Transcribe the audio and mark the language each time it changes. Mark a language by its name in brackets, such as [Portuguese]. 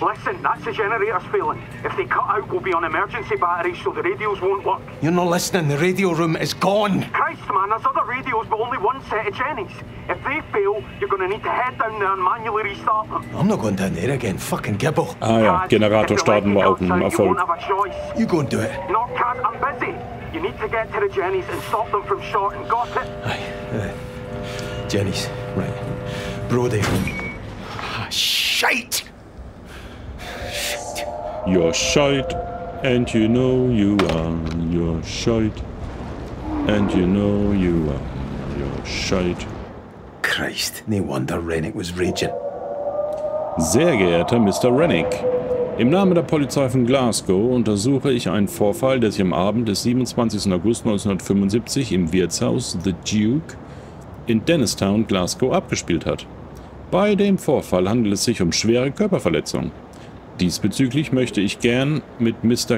[English] Listen, that's the generator's failing. If they cut out, we'll be on emergency batteries, so the radios won't work. You're not listening. The radio room is gone. Christ, man, there's other radios, but only one set of Jennies. If they fail, you're going to need to hit head down there and manually restart them. I'm not going down there again, fucking Gibble. [German] Ah ja, Generator starten war auch ein Erfolg. [English] You won't have a choice. You go and do it. No, Kaz, I'm busy. You need to get to the Jennies and stop them from shorting. Got it? Aye. Jennies, right. Brody. Shite! You're shite, and you know you are. You're shite, and you know you are. You're shite. Christ, no wonder Rennick was raging. [German] Sehr geehrter Mr. Rennick, im Namen der Polizei von Glasgow untersuche ich einen Vorfall, der sich am Abend des 27. August 1975 im Wirtshaus The Duke in Dennistown, Glasgow, abgespielt hat. Bei dem Vorfall handelt es sich um schwere Körperverletzungen. Diesbezüglich möchte ich gern mit Mr.